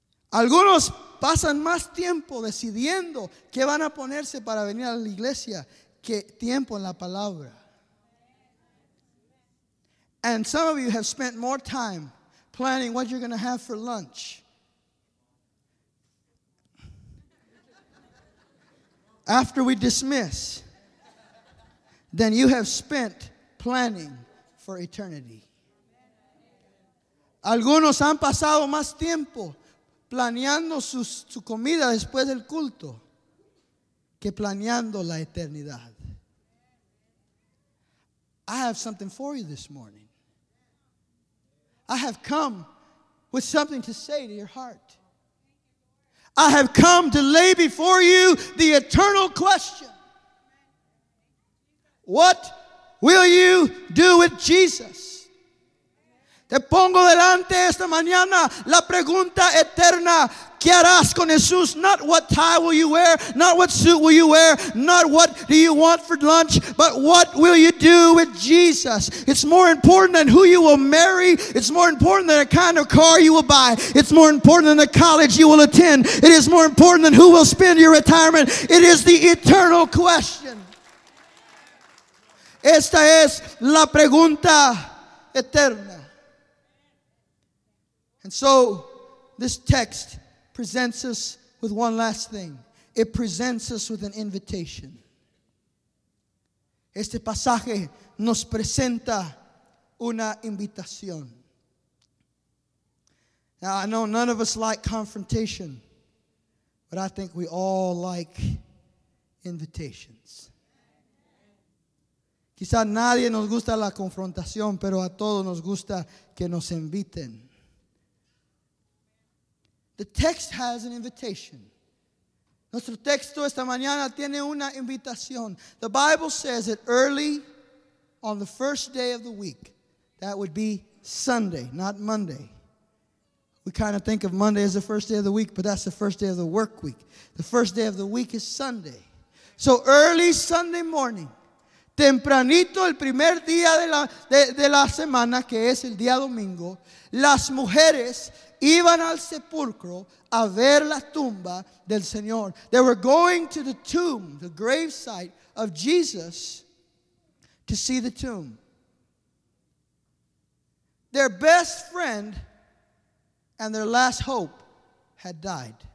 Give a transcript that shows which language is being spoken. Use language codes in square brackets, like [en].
[es] Algunos pasan más tiempo decidiendo qué van a ponerse para venir a la iglesia que tiempo en la palabra. [en] And some of you have spent more time planning what you're going to have for lunch. After we dismiss, then you have spent planning for eternity. [es] Algunos han pasado más tiempo planeando su comida después del culto que planeando la eternidad. [en] I have something for you this morning. I have come with something to say to your heart. I have come to lay before you the eternal question. What will you do with Jesus? [es] Te pongo delante esta mañana la pregunta eterna. ¿Qué harás con Jesús? [en] Not what tie will you wear, not what suit will you wear, not what do you want for lunch, but what will you do with Jesus? It's more important than who you will marry. It's more important than the kind of car you will buy. It's more important than the college you will attend. It is more important than who will spend your retirement. It is the eternal question. [es] Esta es la pregunta eterna. [en] And so, this text presents us with one last thing. It presents us with an invitation. [es] Este pasaje nos presenta una invitación. [en] Now, I know none of us like confrontation, but I think we all like invitations. [es] Quizás nadie nos gusta la confrontación, pero a todos nos gusta que nos inviten. [en] The text has an invitation. [es] Nuestro texto esta mañana tiene una invitación. [en] The Bible says that early on the first day of the week, that would be Sunday, not Monday. We kind of think of Monday as the first day of the week, but that's the first day of the work week. The first day of the week is Sunday. So early Sunday morning, [es] tempranito el primer día de la semana, que es el día domingo, las mujeres iban al sepulcro a ver la tumba del Señor. [en] They were going to the tomb, the gravesite of Jesus, to see the tomb. Their best friend and their last hope had died.